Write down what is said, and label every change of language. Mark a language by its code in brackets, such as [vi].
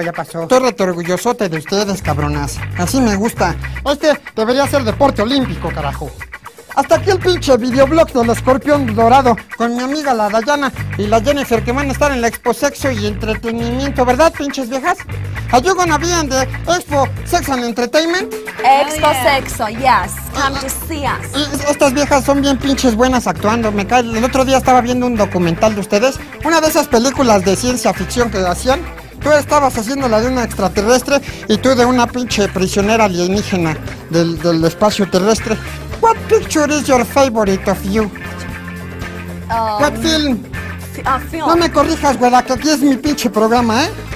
[es] Estoy retorgullosote de ustedes, cabronas. Así me gusta. Este debería ser deporte olímpico, carajo. Hasta aquí el pinche videoblog del Escorpión Dorado con mi amiga la Dayana y la Jennifer, que van a estar en la Exposexo y entretenimiento, ¿verdad, pinches viejas? [en] Are you gonna be in the Expo Sex and Entertainment? Expo Sexo, yes. Come to see us. [es] Estas viejas son bien pinches buenas actuando. Me cae. El otro día estaba viendo un documental de ustedes. Una de esas películas de ciencia ficción que hacían. Tú estabas haciendo la de una extraterrestre y tú de una pinche prisionera alienígena del espacio terrestre. [en] What picture is your favorite of you? What film? Film. [es] No me corrijas, güera, que aquí es mi pinche programa, ¿eh?